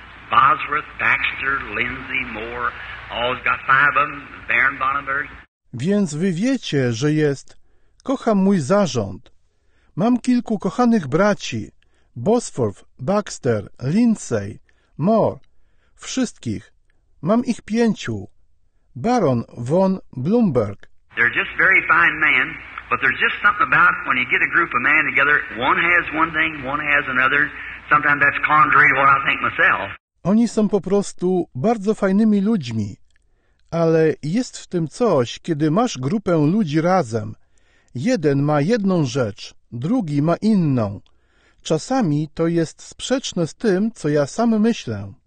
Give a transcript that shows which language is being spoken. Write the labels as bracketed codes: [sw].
[en] Bosworth, Baxter, Lindsay, Moore, all has got five of them, Baron Bonnenberg. [pl] Więc wy wiecie, że jest, kocham mój zarząd. Mam kilku kochanych braci, Bosworth, Baxter, Lindsay, Moore, wszystkich. Mam ich pięciu, Baron von Blumberg. [en] They're just very fine men, but there's just something about when you get a group of men together, one has one thing, one has another, sometimes that's contrary to what I think myself. [pl] Oni są po prostu bardzo fajnymi ludźmi, ale jest w tym coś, kiedy masz grupę ludzi razem. Jeden ma jedną rzecz, drugi ma inną. Czasami to jest sprzeczne z tym, co ja sam myślę.